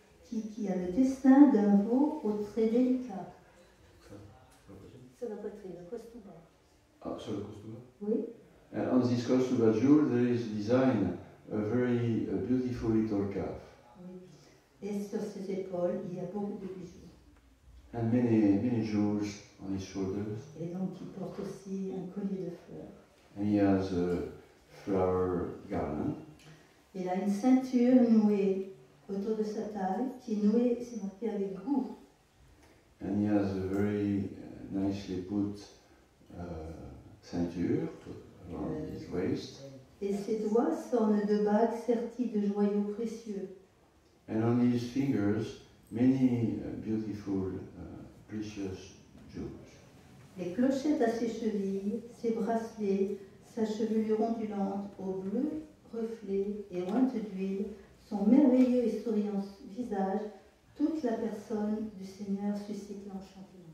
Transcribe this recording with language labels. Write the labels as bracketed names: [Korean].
[French] Qui a le dessin d'un veau au trait délicat. Sur la poitrine, Kostuba. Ah, sur le Kostuba? Oui. [English] On this Kostuba jewel, there is design a beautiful little calf. [French] Et sur ses épaules, il y a beaucoup de bijoux. [English] And many jewels on his shoulders. [French] Et donc, il porte aussi un collier de fleurs. [English] And he has a flower garland. [French] Il a une ceinture nouée autour de sa taille, qui est nouée, c'est marqué avec goût. [English] And he has a very nicely put ceinture. His waist. [French] Et ses doigts s'ornent de bagues serties de joyaux précieux. [English] And on his fingers, many beautiful, precious jewels. [French] Les clochettes à ses chevilles, ses bracelets, sa chevelure ondulante au bleu reflets et ointes d'huile, son merveilleux et souriant visage, toute la personne du Seigneur suscite l'enchantement.